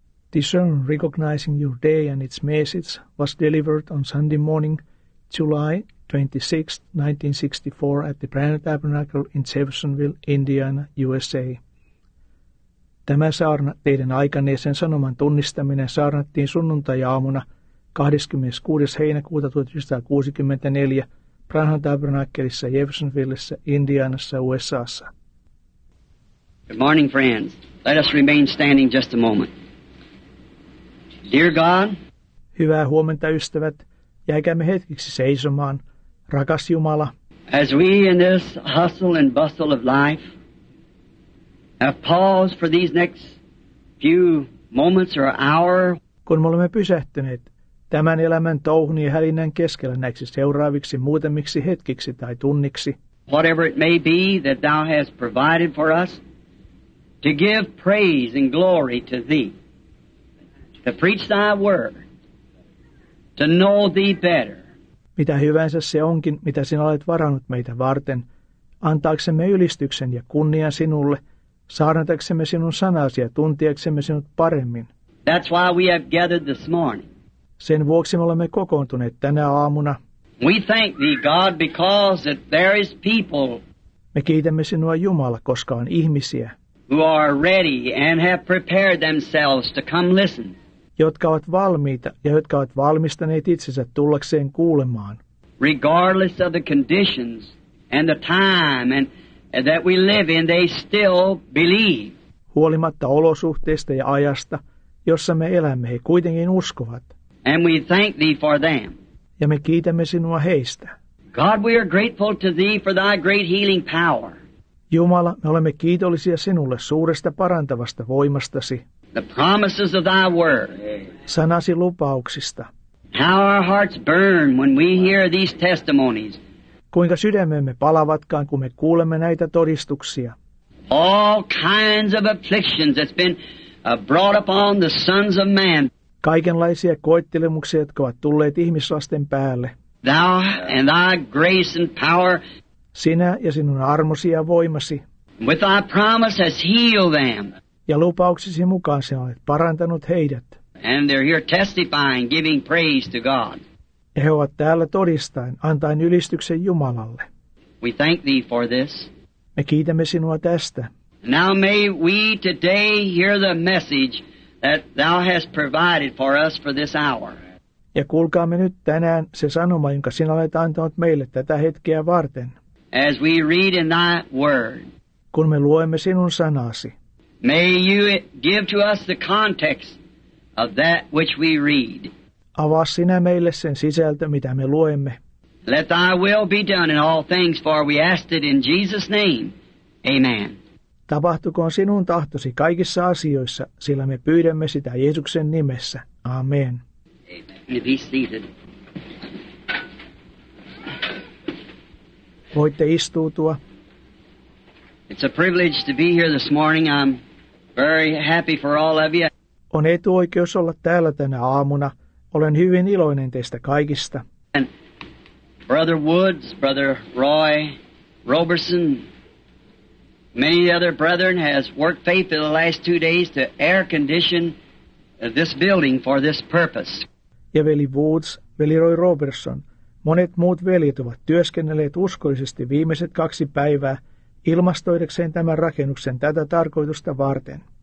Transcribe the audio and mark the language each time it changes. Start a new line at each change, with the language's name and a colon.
English: The sermon recognizing your day and its message was delivered on Sunday morning, July 26, 1964 at the Brainerd Tabernacle in Jeffersonville, Indiana, USA.
Finnish: Tämä saarna teidän aikanne ja sen sanoman tunnistaminen saarnattiin sunnuntai-aamuna 26. heinäkuuta 1964 Brainerd Tabernacleissa Jeffersonvillessä, Indianassa, USA:ssa.
English: Good morning, friends. Let us remain standing just a moment. Dear God,
Finnish: hyvää huomenta, ystävät. Jäikäämme hetkeksi seisomaan. Rakas Jumala,
English: as we in this hustle and bustle of life have paused for these next few moments or hour,
Finnish: kun me olemme pysähtyneet tämän elämän touhun ja hälinän keskellä näiksi seuraaviksi muutamiksi hetkiksi tai tunniksi,
English: whatever it may be that thou hast provided for us, to give praise and glory to thee, to preach thy word, to know thee better.
Finnish: Mitä hyvänsä se onkin, mitä sinä olet varannut meitä varten, antaaksemme ylistyksen ja kunnian sinulle, saarnataksemme sinun sanasi ja tuntiaksemme sinut paremmin.
English: That's why we have gathered this morning.
Finnish: Sen vuoksi me olemme kokoontuneet tänä aamuna.
English: We thank thee, God, because that there is people.
Finnish: Me kiitämme sinua, Jumala, koska on ihmisiä,
English: who are ready and have prepared themselves to come listen.
Finnish: Jotka ovat valmiita ja jotka ovat valmistaneet itsensä tullakseen kuulemaan.
English: Regardless of the conditions and the time and that we live in, they still believe.
Finnish: Huolimatta olosuhteista ja ajasta, jossa me elämme, he kuitenkin uskovat.
English: And we thank thee for them.
Finnish: Ja me kiitämme sinua heistä.
English: God, we are grateful to thee for thy great healing power.
Finnish: Jumala, me olemme kiitollisia sinulle suuresta parantavasta voimastasi.
English: The promises of thy word.
Finnish: Sanasi lupauksista.
English: How our hearts burn when we hear these testimonies.
Finnish: Kuinka sydämemme palavatkaan, kun me kuulemme näitä todistuksia.
English: All kinds of afflictions that's been brought upon the sons of man.
Finnish: Kaikenlaisia koettelemuksia, jotka ovat tulleet ihmislasten päälle.
English: Thou and thy grace and power.
Finnish: Sinä ja sinun armosi ja voimasi.
English: With thy promise has healed them.
Finnish: Ja lupauksesi mukaan sinä olet parantanut heidät.
English: And they're here testifying, giving praise to God.
Finnish: Ja he ovat täällä todistaen, antaen ylistyksen Jumalalle.
English: We thank thee for this.
Finnish: Me kiitämme sinua tästä.
English: Now may we today hear the message that thou hast provided for us for this hour.
Finnish: Ja kuulkaamme nyt tänään se sanoma, jonka sinä olet antanut meille tätä hetkeä varten.
English: As we read in thy word,
Finnish: kun me luemme sinun sanasi,
English: may you give to us the context of that which we read.
Finnish: Avaa sinä meille sen sisältö, mitä me luemme.
English: Let thy will be done in all things, for we ask it in Jesus' name. Amen.
Finnish: Tapahtukoon sinun tahtosi kaikissa asioissa, sillä me pyydämme sitä Jeesuksen nimessä. Amen.
English: Amen. Be seated.
Finnish: Voitte istuutua.
English: It's a privilege to be here this morning. I'm very happy for all of you.
Finnish: On etuoikeus olla täällä tänä aamuna. Olen hyvin iloinen teistä kaikista.
English: And Brother Woods, Brother Roy Roberson, many other brethren has worked faithfully the last two days to air condition this building for this purpose.
Finnish: Ja veli Woods, veli Roy Roberson, monet muut veljet ovat työskennelleet uskollisesti viimeiset kaksi päivää ilmastoidakseen tämän rakennuksen tätä tarkoitusta varten.